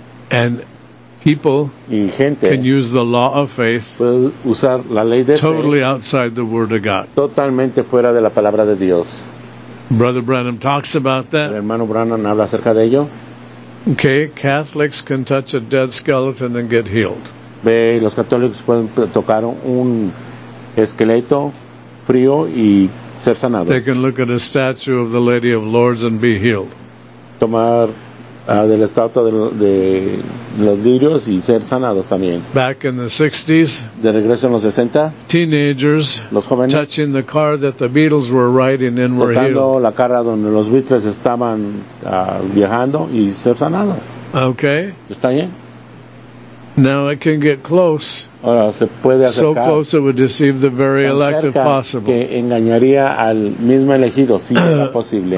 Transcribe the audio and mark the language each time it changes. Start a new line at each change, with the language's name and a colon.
English: And people can use the law of faith
Spanish: usar la ley de
English: totally
Spanish: fe,
English: outside the word of God.
Spanish: Totalmente fuera de la palabra de Dios.
English: Brother Branham talks about that.
Spanish: El hermano Branham habla acerca de ello.
English: Okay, Catholics can touch a dead skeleton and get healed.
Spanish: Ve, los católicos pueden tocar un esqueleto frío y ser sanados.
English: They can look at a statue of the Lady of Lords and be healed.
Spanish: Tomar de la estatua de los lirios y ser sanados también.
English: Back in the 60s,
Spanish: de regreso en los 60,
English: teenagers,
Spanish: los jóvenes,
English: touching the car that the Beatles were riding in were healed.
Spanish: Tocando la cara donde los Beatles estaban viajando y ser sanados.
English: Okay.
Spanish: ¿Está bien?
English: Now it can get close.
Spanish: Ahora se puede acercar.
English: So close it would deceive the very elect if possible.
Spanish: Que engañaría al mismo elegido si era posible.